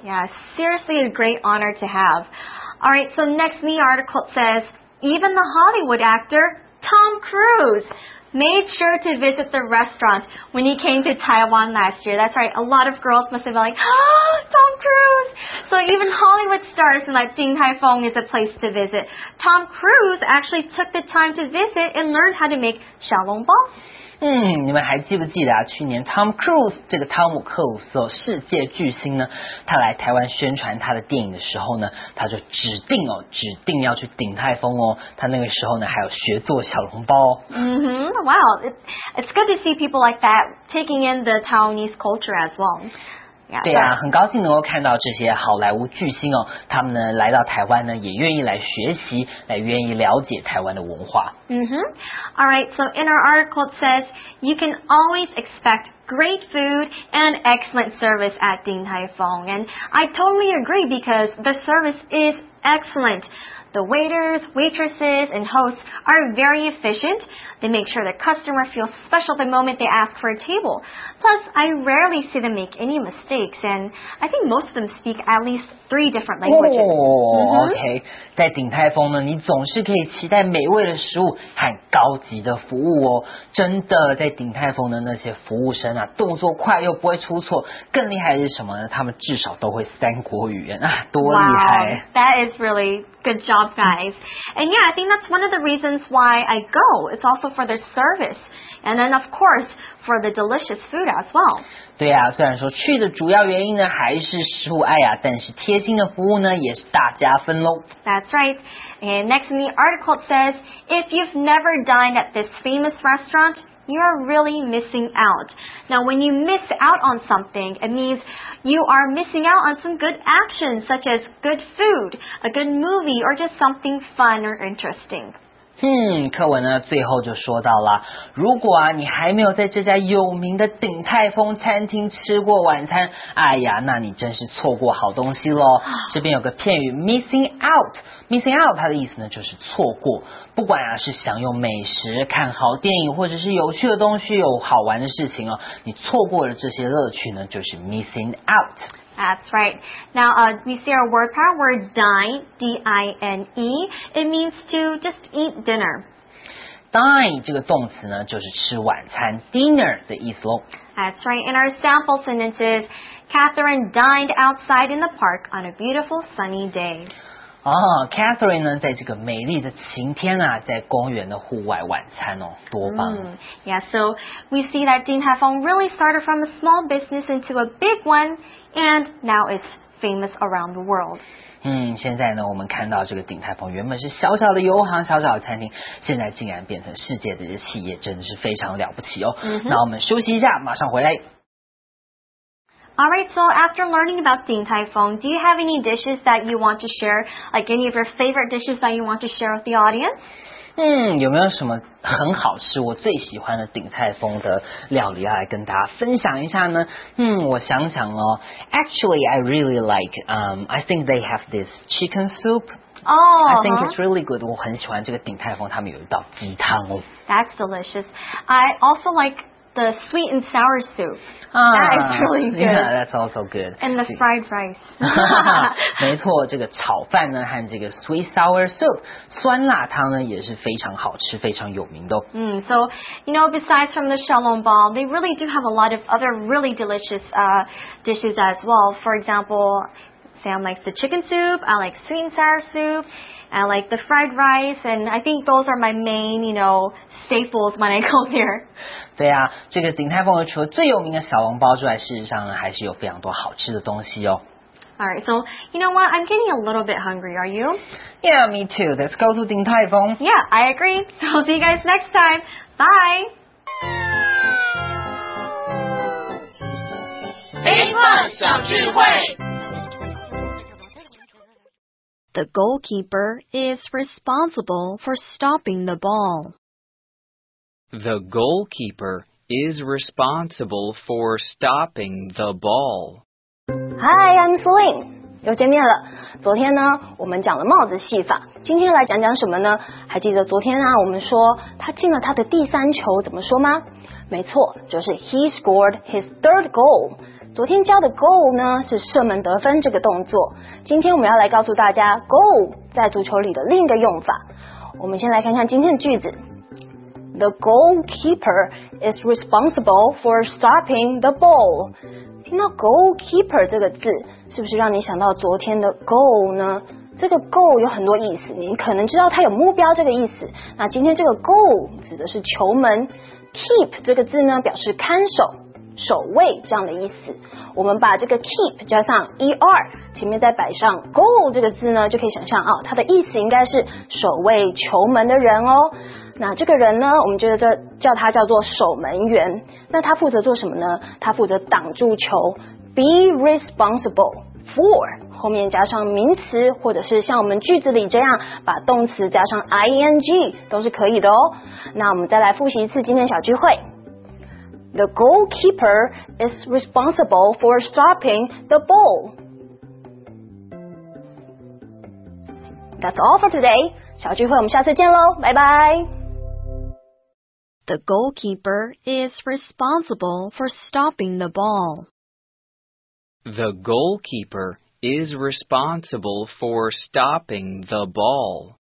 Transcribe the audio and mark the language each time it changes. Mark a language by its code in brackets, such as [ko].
[en] Yeah, seriously, a great honor to have. All right, so next news article says even the Hollywood actor. Tom Cruise made sure to visit the restaurant when he came to Taiwan last year. That's right. A lot of girls must have been like, oh, Tom Cruise. So even Hollywood stars and like Din Tai Fung is a place to visit. Tom Cruise actually took the time to visit and learn how to make xiao long bao. [zh] 嗯，你们还记不记得啊？去年 Tom Cruise 这个汤姆克鲁斯、哦、世界巨星呢，他来台湾宣传他的电影的时候呢，他就指定哦，指定要去鼎泰丰哦。他那个时候呢，还有学做小笼包、哦。 [en] 嗯哼 ，Wow， it's good to see people like that taking in the Taiwanese culture as well. Yeah, [zh] 对啊，很高兴能够看到这些好莱坞巨星哦，他们呢来到台湾呢，也愿意来学习，来愿意了解台湾的文化。 [en] Mm-hmm. All right, so in our article it says, you can always expect great food and excellent service at Din Tai Fung. And I totally agree because the service is excellent. The waiters, waitresses, and hosts are very efficient. They make sure their customer feels special the moment they ask for a table. Plus, I rarely see them make any mistakes, and I think most of them speak at least three different languages. Oh, okay. [zh] 在鼎泰丰呢，你总是可以期待美味的食物和高级的服务哦。真的，在鼎泰丰的那些服务生啊，动作快又不会出错。更厉害的是什么呢？他们至少都会三国语言啊，多厉害！ [en] Wow, that is really good job, guys. And yeah, I think that's one of the reasons why I go. It's also for their service. And then, of course, for the delicious food as well. [zh] 对啊，虽然说去的主要原因呢还是食物爱啊，但是贴心的服务呢也是大加分咯。 [en] That's right. And next in the article says, if you've never dined at this famous restaurant... You are really missing out. Now, when you miss out on something, it means you are missing out on some good action, such as good food, a good movie, or just something fun or interesting. [zh] 课文呢最后就说到了，如果啊你还没有在这家有名的鼎泰丰餐厅吃过晚餐，哎呀，那你真是错过好东西咯。这边有个片语 missing out， missing out 它的意思呢就是错过，不管啊是享用美食、看好电影，或者是有趣的东西、有好玩的事情哦，你错过了这些乐趣呢就是 missing out。 [en] That's right. Now, we see our word power word dine, D-I-N-E. It means to just eat dinner. [zh] Dine 这个动词呢，就是吃晚餐 ，dinner 的意思喽。 [en] That's right. In our sample sentences, Catherine dined outside in the park on a beautiful sunny day. [zh] Oh, Catherine 呢，在这个美丽的晴天啊，在公园的户外晚餐哦，多棒。 [en] Yeah, so we see that Din Tai Fung really started from a small business into a big one. And now it's famous around the world. [zh] 现在呢，我们看到这个鼎泰丰原本是小小的油行、小小的餐厅，现在竟然变成世界的企业，真的是非常了不起哦。那我们休息一下，马上回来。 [en] All right, so after learning about Din Tai Fung, do you have any dishes that you want to share? Like any of your favorite dishes that you want to share with the audience? [zh] 有没有什么？很好吃，我最喜欢的鼎泰丰的料理要来跟大家分享一下呢。我想想哦 [en] ，Actually, I really like. I think they have this chicken soup. Oh, I think it's really good. [zh] 我很喜欢这个鼎泰丰，他们有一道鸡汤哦。 [en] That's delicious. I also like the sweet and sour soup. That is really good. Yeah, that's also good. And the fried rice. [zh] 没错，这个炒饭呢和这个 [en] sweet sour soup [zh] 酸辣汤呢也是非常好吃，非常有名的。 [en] So you know, besides from the xiao long bao, they really do have a lot of other really delicious dishes as well. For example, Sam likes the chicken soup, I like sweet and sour soup, I like the fried rice, and I think those are my main, you know, staples when I go there. [zh] 对啊，这个鼎泰丰除了最有名的小笼包之外，事实上呢，还是有非常多好吃的东西哦。 [en] Alright, so, you know what, I'm getting a little bit hungry, are you? Yeah, me too, let's go to Ding Tai Fung. Yeah, I agree, so I'll see you guys next time, bye! The goalkeeper is responsible for stopping the ball. The goalkeeper is responsible for stopping the ball. Hi, I'm Celine. [zh] 又见面了。昨天呢，我们讲了帽子戏法。今天来讲讲什么呢？还记得昨天啊，我们说他进了他的第三球，怎么说吗？没错，就是 [en] he scored his third goal. [zh] 昨天教的 goal 呢，是射门得分这个动作。今天我们要来告诉大家 goal 在足球里的另一个用法。我们先来看看今天的句子。 [en] The goalkeeper is responsible for stopping the ball. [zh] 听到 goalkeeper 这个字，是不是让你想到昨天的 goal 呢？这个 goal 有很多意思，你可能知道它有目标这个意思。那今天这个 goal 指的是球门， keep 这个字呢表示看守、守卫这样的意思。我们把这个 keep 加上 er， 前面再摆上 goal 这个字呢，就可以想象哦，它的意思应该是守卫球门的人哦。那这个人呢，我们觉得叫他叫做守门员。那他负责做什么呢？他负责挡住球。 [en] Be responsible for [zh] 后面加上名词，或者是像我们句子里这样，把动词加上 ing 都是可以的哦。那我们再来复习一次今天小聚会。 [en] The goalkeeper is responsible for stopping the ball. That's all for today. [zh] 小聚会我们下次见咯，拜拜。 [en] The goalkeeper is responsible for stopping the ball. The goalkeeper is responsible for stopping the ball.